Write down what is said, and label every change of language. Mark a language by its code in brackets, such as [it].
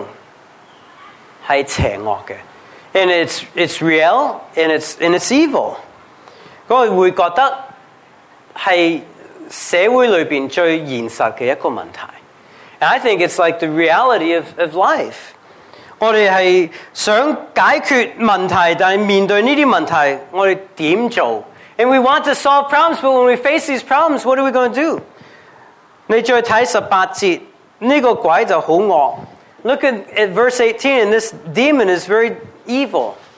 [zh] 是非常之严重，是邪恶嘅。 [en] And it's real, and it's evil. [zh] 我会觉得是社会里面最现实的一个问题。 [en] And I think it's like the reality of life. [zh] 我们是想解决问题，但是面对这些问题，我们怎么做？ [en] And we want to solve problems, but when we face these problems, what are we going to do? [zh] 你再看18节，这个鬼就很恶。 [en] Look at verse 18, and this demon is very evil.